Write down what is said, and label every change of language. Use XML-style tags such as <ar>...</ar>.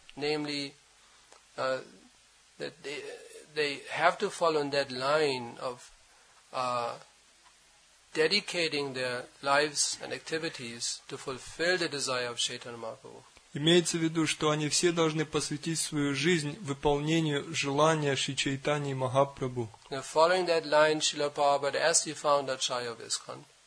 <en>Namely, that they have to follow in that line of dedicating their lives and activities to fulfill the desire of Chaitanya Mahaprabhu.</en> <ru>Имеется в виду, что они все должны посвятить свою жизнь выполнению желания Шри Чайтаньи Махапрабху.</ru> <en>Now, following that line, Srila Prabhupada asked the founder Acharya of ISKCON.</en>